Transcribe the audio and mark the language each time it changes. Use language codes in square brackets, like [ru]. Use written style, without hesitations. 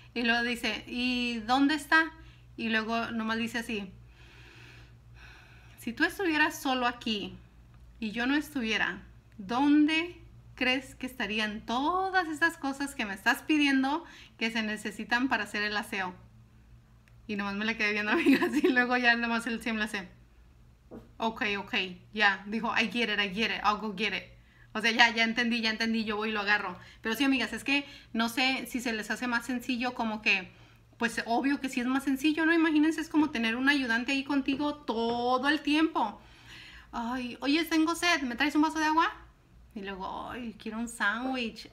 [es] Y luego dice, ¿y dónde está? Y luego nomás dice así, si tú estuvieras solo aquí y yo no estuviera, ¿dónde crees que estarían todas esas cosas que me estás pidiendo que se necesitan para hacer el aseo? Y nomás me le quedé viendo, amigas, y luego ya nomás el Sim lo hace, ok, ya, yeah. [en] Dijo, I get it, I'll go get it. [es] O sea, ya entendí, yo voy y lo agarro. Pero sí, amigas, es que no sé si se les hace más sencillo, como que, pues obvio que sí es más sencillo, ¿no? Imagínense, es como tener un ayudante ahí contigo todo el tiempo. Ay, oye, tengo sed, ¿me traes un vaso de agua? Y luego, ay, quiero un sándwich.